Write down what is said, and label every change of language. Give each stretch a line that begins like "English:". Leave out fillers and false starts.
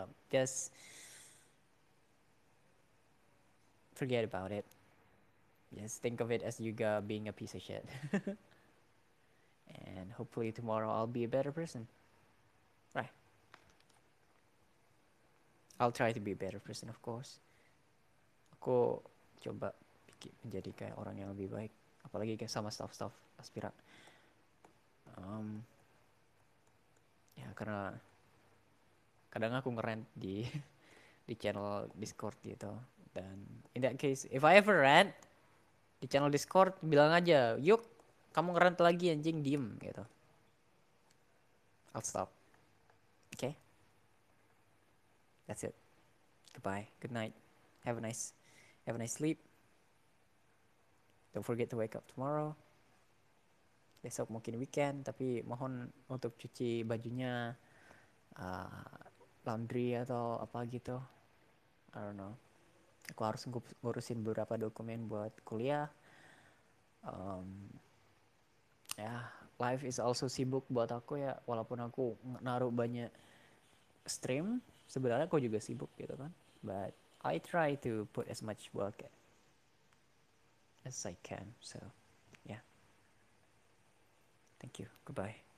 English: Just forget about it. Just think of it as Yuga being a piece of shit. And hopefully tomorrow I'll be a better person. Right. I'll try to be a better person, of course.
Indonesian: Aku coba bikin menjadi kayak orang yang lebih baik. Apalagi kayak sama staff-staff aspirat. Ya, karena kadang aku ngerant di channel Discord gitu.
English: Dan in that case, if I ever rant
Indonesian: di channel Discord, bilang aja, yuk kamu ngerant lagi anjing, diem gitu.
English: I'll stop. Okay? That's it. Goodbye. Good night. Have a nice sleep. Don't forget to wake up tomorrow.
Indonesian: Besok mungkin weekend, tapi mohon untuk cuci bajunya, laundry atau apa gitu.
English: I don't know.
Indonesian: Aku harus ngurusin beberapa dokumen buat kuliah.
English: Yeah, life is also
Indonesian: sibuk buat aku ya. Walaupun aku naruh banyak stream, sebenarnya aku juga sibuk gitu kan.
English: But I try to put as much work as I can. So, yeah. Thank you. Goodbye.